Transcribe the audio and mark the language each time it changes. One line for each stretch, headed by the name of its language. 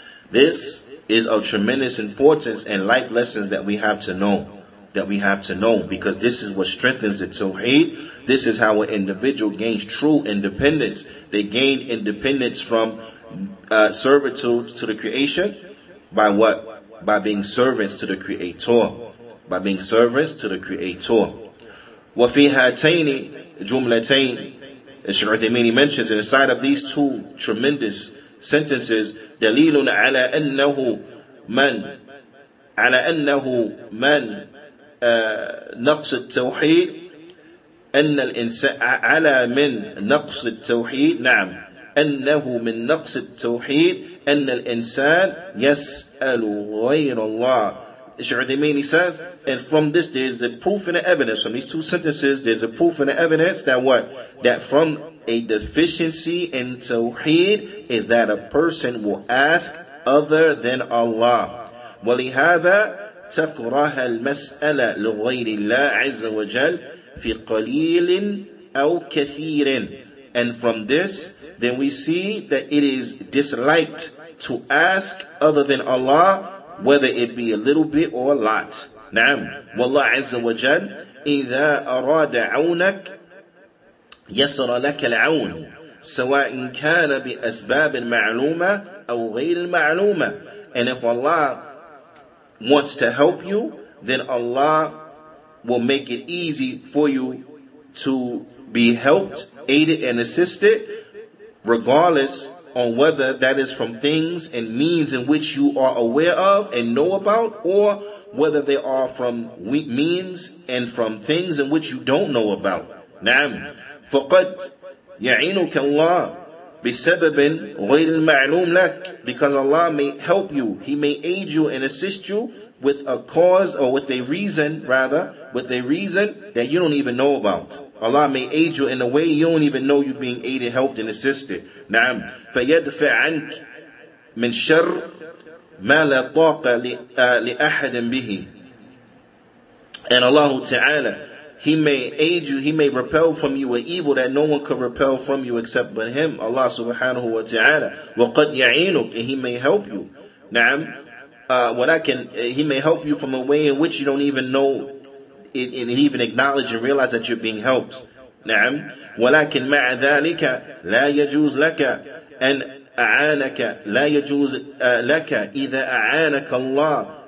English: This is of tremendous importance and life lessons that we have to know. That we have to know, because this is what strengthens the tawheed. This is how an individual gains true independence. They gain independence from servitude to the creation by what? By being servants to the Creator. By being servants to the Creator.
Arabic: وَفِي هَاتَيْنِ جُمْلَتَيْنِ,
English: Shaykh Uthaymeen mentions, inside of these two tremendous sentences,
Arabic: دَلِيلٌ عَلَىٰ أَنَّهُ مَنْ عَلَىٰ أَنَّهُ مَنْ نَقْصِ التَّوْحِيدِ أن الإنسان على من نقص التوحيد نعم أنه من نقص التوحيد أن الإنسان يسأل غير الله.
English: Sheikh Uthaymeen says, and from this there is the proof and the evidence, from these two sentences there's a proof and the evidence that what? That from a deficiency in tawheed is that a person will ask other than Allah.
Arabic: ولهذا تكره المسألة لغير الله عز وجل في قليل أو كثير.
English: And from this, then we see that it is disliked to ask other than Allah, whether it be a little bit or a lot.
Arabic: نعم. والله عز وجل إذا أراد عونك يسر لك العون سواء كان بأسباب معلومة أو غير معلومة.
English: And if Allah wants to help you, then Allah will make it easy for you to be helped, aided, and assisted, regardless on whether that is from things and means in which you are aware of and know about, or whether they are from means and from things in which you don't know about.
Arabic: نعم. فقد يعينك الله بسبب غير المعلوم لك,
English: because Allah may help you, He may aid you and assist you with a cause, or with a reason, rather, with a reason that you don't even know about. Allah may aid you in a way you don't even know you're being aided, helped, and assisted.
Arabic: نعم. فيدفع عنك من شر ما لا طاقة لأحد به.
English: And Allah Ta'ala, He may aid you, He may repel from you an evil that no one could repel from you except but Him, Allah Subhanahu Wa Ta'ala.
Arabic: وقد يعينك,
English: and He may help you.
Arabic: نعم.
English: He may help you from a way in which you don't even know it, and even acknowledge and realize that you're being helped.
Arabic: نعم. ولكن مع ذلك لا يجوز لك أن أعانك, لا يجوز لك إذا أعانك الله